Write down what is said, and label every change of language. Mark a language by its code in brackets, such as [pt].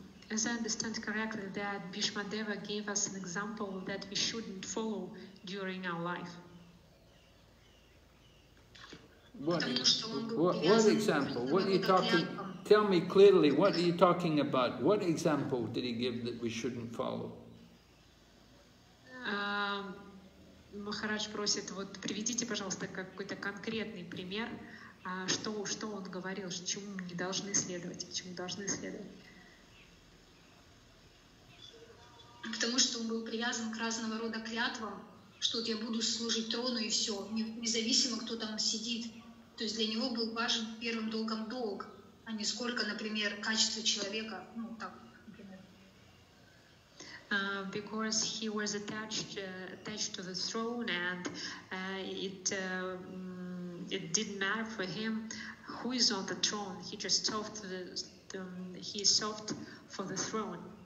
[en] As I understand correctly, that Bhishma Deva gave us an example that we shouldn't follow during our life. What example? What are you talking? Tell me clearly, what are you talking about? What example did he give that we shouldn't follow? [ru] Махарадж просит, вот приведите, пожалуйста, какой-то конкретный пример, что он говорил, чему не должны следовать, чему должны следовать. Потому что он был привязан к разного рода клятвам, что вот я буду служить трону и все, независимо, кто там сидит. То есть для него был важен первым долгом долг, а не сколько, например, качество человека, ну так, например. [en] Because he was attached to the throne and it didn't matter for him who is on the throne. He just served he served for the throne.